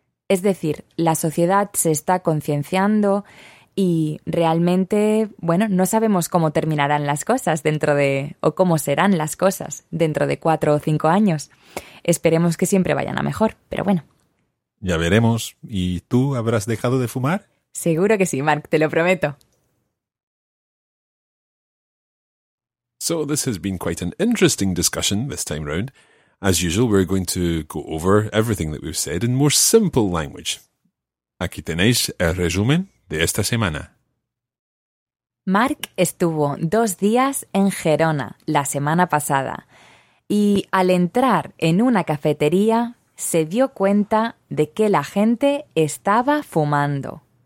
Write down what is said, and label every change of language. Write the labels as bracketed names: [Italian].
[Spanish] Es decir, la sociedad se está concienciando y realmente, bueno, no sabemos cómo terminarán las cosas o cómo serán las cosas dentro de 4 o 5 años. Esperemos que siempre vayan a mejor, pero bueno. Ya veremos. ¿Y tú habrás dejado de fumar? Seguro que sí, Mark, te lo prometo. [English] So this has been quite an interesting discussion this time round. As usual, we're going to go over everything that we've said in more simple language. [Spanish] Aquí tenéis el resumen de esta semana. Mark estuvo 2 días en Gerona la semana pasada y al entrar en una cafetería se dio cuenta de que la gente estaba fumando.